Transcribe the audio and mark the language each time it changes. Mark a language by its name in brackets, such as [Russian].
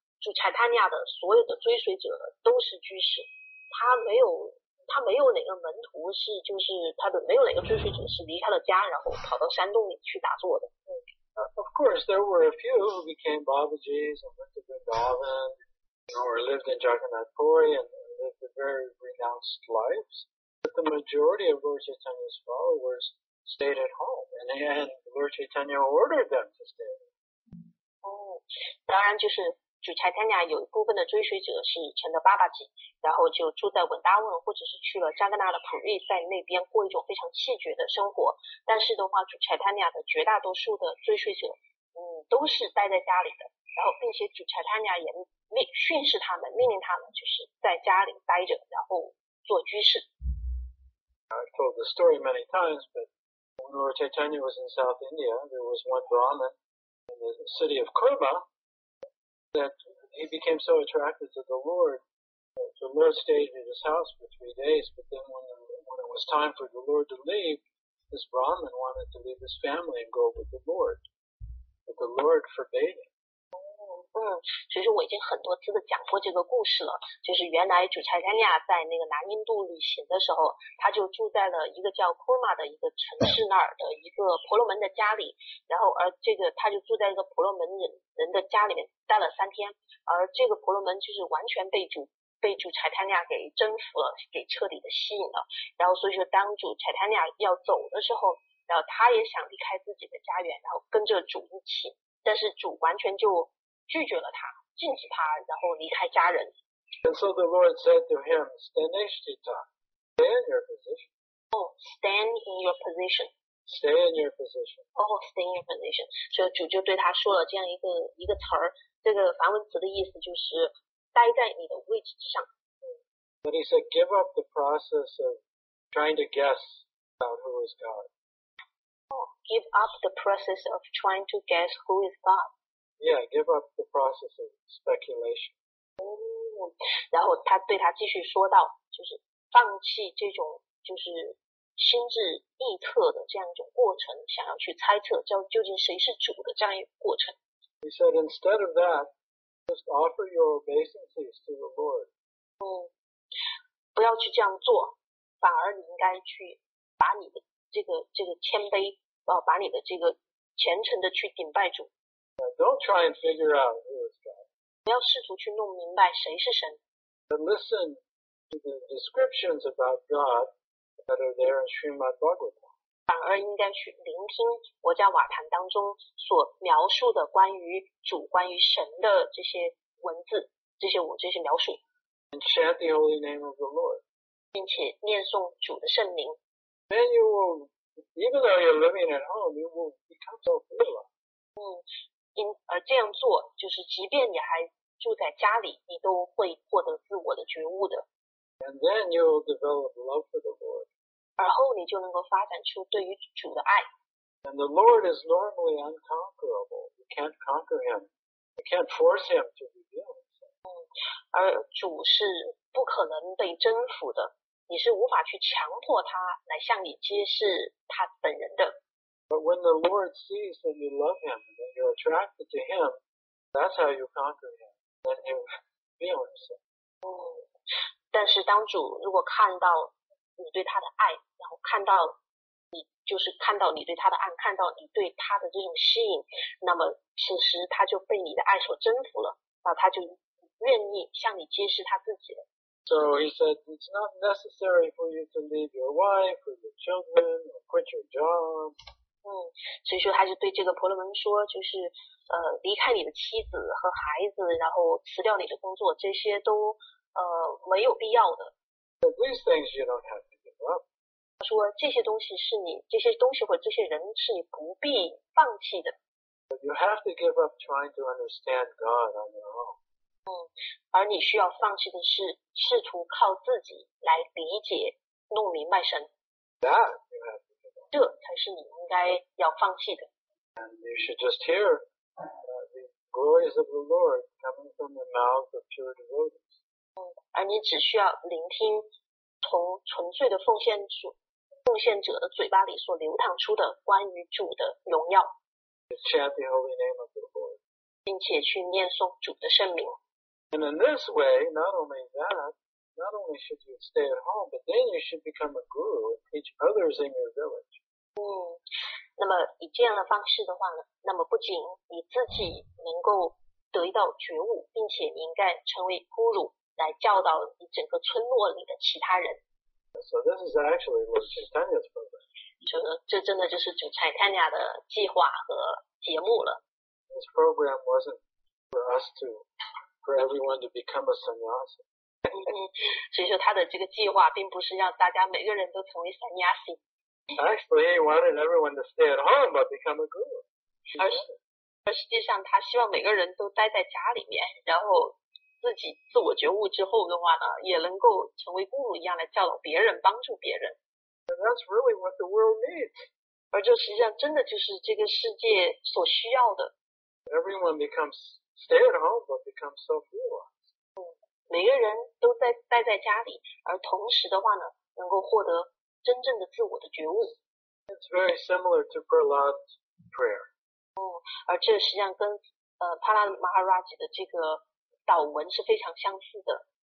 [Chinese] 就柴坦尼亚的所有的追随者都是居士，他没有哪个门徒是就是他的，没有哪个追随者是离开了家然后跑到山洞里去打坐的。 [English] Of course, there were a few who became Babaji's and went to Vrindavan, or lived in Jagannath Puri and lived a very renounced lives. But the majority of Lord Chaitanya's followers stayed at home, and Lord Chaitanya ordered them to stay. [Chinese] 当然就是主柴坦尼亚有一部分的追随者是成了 Babaji, 然后就住在文达文或者是去了加格纳的普瑞，在那边过一种非常气绝的生活。但是的话主柴坦尼亚的绝大多数的追随者都是待在家里的，然后并且主柴坦尼亚也训示他们，命令他们就是在家里待着然后做居士。 [English] I've told the story many times, but when Lord Chaitanya was in South India, there was one Brahmin in the city of Kurba that he became so attracted to the Lord. The Lord stayed at his house for 3 days, but then when it was time for the Lord to leave, this Brahmin wanted to leave his family and go with the Lord. But the Lord forbade him. [Chinese] 其实我已经很多次的讲过这个故事了，就是原来主柴坦尼亚在那个南印度旅行的时候，他就住在了一个叫 Kurma 的一个城市那儿的一个婆罗门的家里，然后而这个他就住在一个婆罗门人的家里面待了3天，而这个婆罗门就是完全被主柴坦尼亚给征服了，给彻底的吸引了，然后所以说当主柴坦尼亚要走的时候，然后他也想离开自己的家园，然后跟着主一起，但是主完全就拒绝了他，禁止他，然后离开家人。 [English] And so the Lord said to him, "Stand in your position." Stay in your position. Stay in your position. [Chinese] 所以主就对他说了这样一个词儿，这个梵文词的意思就是待在你的位置上。 [English] But he said, "Give up the process of trying to guess about who is God." Give up the process of trying to guess who is God. Yeah, give up the process of speculation. [Chinese] 然后他对他继续说到，就是放弃这种就是心智臆测的这样一种过程，想要去猜测究竟谁是主的这样一个过程。 [English] He said, instead of that, just offer your obeisances to the Lord. [Chinese] 不要去这样做，反而你应该去把你的这个谦卑，把你的这个虔诚的去顶拜主。 [English] Don't try and figure out who is God. [Chinese] 不要试图去弄明白谁是神。 [English] But listen to the descriptions about God that are there in Srimad Bhagavatam. [Chinese] 反而应该去聆听佛教瓦坛当中所描述的关于主、关于神的这些文字、这些描述。 [English] And chant the holy name of the Lord. [Chinese] 并且念诵主的圣名。 [English] Then you will, even though you're living at home, you will become so full of. [Chinese] 而这样做就是即便你还住在家里，你都会获得自我的觉悟的。 [English] And then you'll develop love for the Lord. [Chinese] 而后你就能够发展出对于主的爱。 [English] And the Lord is normally unconquerable. You can't conquer him. You can't force him to reveal himself. [Chinese] 而主是不可能被征服的，你是无法去强迫他来向你揭示他本人的。 [English] But when the Lord sees that you love him and that you're attracted to him, that's how you conquer him. Then you reveal yourself. [Chinese] 但是当主如果看到你对他的爱，然后看到你就是看到你对他的爱，看到你对他的这种吸引，那么此时他就被你的爱所征服了，那他就愿意向你揭示他自己了。 [English] So he said, it's not necessary for you to leave your wife or your children or quit your job. [Chinese] 所以说他就对这个婆罗门说，就是离开你的妻子和孩子，然后辞掉你的工作，这些都没有必要的。 [English] But these things you don't have to give up. [Chinese] 他说这些东西是你，这些东西或者这些人是你不必放弃的。 [English] But you have to give up trying to understand God on your own. [Chinese] 而你需要放弃的是试图靠自己来理解弄明白神。 [English] That you have to give up. [Chinese] 这才是你应该要放弃的。 [English] And you should just hear the glories of the Lord coming from the mouth of pure devotees. [Chinese] 而你只需要聆听从纯粹的奉献者的嘴巴里所流淌出的关于主的荣耀，并且去念诵主的圣名。 [English] And in this way, not only that, not only should you stay at home, but then you should become a guru and teach others in your village. [Chinese] 那么以这样的方式的话呢，那么不仅你自己能够得到觉悟，并且你应该成为孤乳来教导你整个村落里的其他人。 [English] So this is actually Lord Chaitanya's program. [Chinese] 这真的就是主 Chaitanya 的计划和节目了。 [English] This program wasn't for everyone to become a sannyasi. [Chinese] 所以说他的这个计划并不是让大家每个人都成为 sannyasi. [English] Actually, he wanted everyone to stay at home but become a guru. [Chinese] 而实际上他希望每个人都待在家里面，然后自己自我觉悟之后的话呢，也能够成为孤儿一样来教导别人，帮助别人。 [English] And that's really what the world needs. [Chinese] 而这实际上真的就是这个世界所需要的。 [English] Everyone becomes stay at home but becomes self-realized. [Chinese] 每个人都在待在家里，而同时的话呢，能够获得真正的自我的觉悟。 [English] It's very similar to Prahlad's prayer. [Chinese] 而这实际上跟帕拉马哈拉吉的这个祷文是非常相似的。